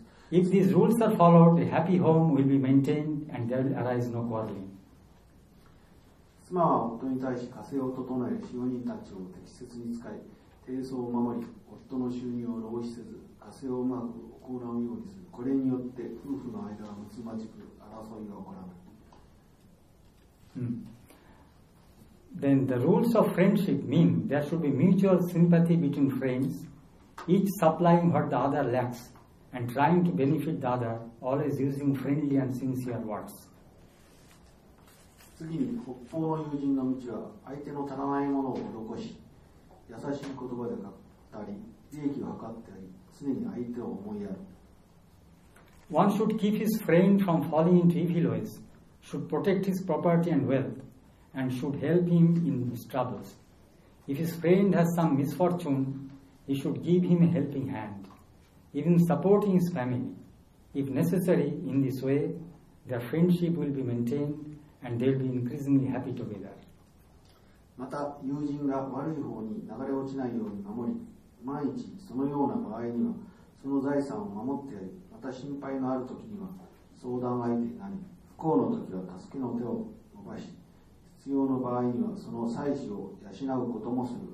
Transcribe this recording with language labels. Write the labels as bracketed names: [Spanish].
[English] If these rules are followed, a happy home will be maintained and there will arise no quarreling. [Japanese] 妻は夫に対し家政を整え、使用人たちを適切に使い、貞操を守り、夫の収入を浪費せず、家政をうまく行うようにする。これによって夫婦の間はむつまじく争いが起こらない。 [English] Then the rules of friendship mean there should be mutual sympathy between friends, each supplying what the other lacks and trying to benefit the other, always using friendly and sincere words. [Japanese] 次に、北方の友人の道は相手の足らないものを施し、優しい言葉で語ったり、利益を図ったり、常に相手を思いやる。 [English] One should keep his friend from falling into evil ways. Should protect his property and wealth, and should help him in his troubles. If his friend has some misfortune, he should give him a helping hand, even supporting his family. If necessary, in this way, their friendship will be maintained, and they'll be increasingly happy together. [Japanese] また、友人が悪い方に流れ落ちないように守り、万一そのような場合には、その財産を守ってやり、また心配のある時には相談相手になり。不幸の時は助けの手を伸ばし、必要の場合にはその妻子を養うこともする。